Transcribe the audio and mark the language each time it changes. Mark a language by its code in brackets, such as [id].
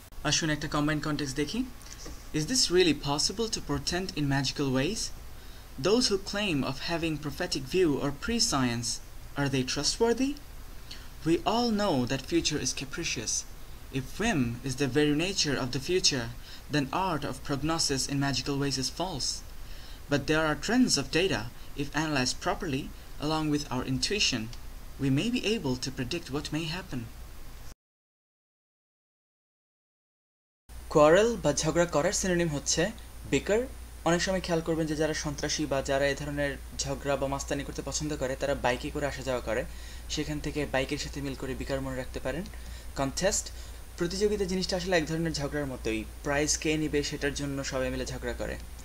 [bn] আসুন একটা combine context দেখি। [en] Is this really possible to pretend in magical ways? Those who claim of having prophetic view or prescience, are they trustworthy? We all know that future is capricious. If whim is the very nature of the future, then art of prognosis in magical ways is false. But there are trends of data, if analyzed properly, along with our intuition, we may be able to predict what may happen. [bn] Quarrel বা ঝগড়া করার synonym হচ্ছে বিকার। অনেক সময় খেয়াল করবেন যে যারা সন্ত্রাসী বা যারা এই ধরনের ঝগড়া বা মাস্তানি করতে পছন্দ করে তারা বাইকে করে আসা যাওয়া করে, সেখান থেকে বাইকের সাথে মিল করে বিকার মনে রাখতে পারেন। কনটেস্ট, প্রতিযোগিতা জিনিসটা আসলে এক ধরনের ঝগড়ার মতোই, প্রাইজ কে নিবে সেটার জন্য সবাই মিলে ঝগড়া করে।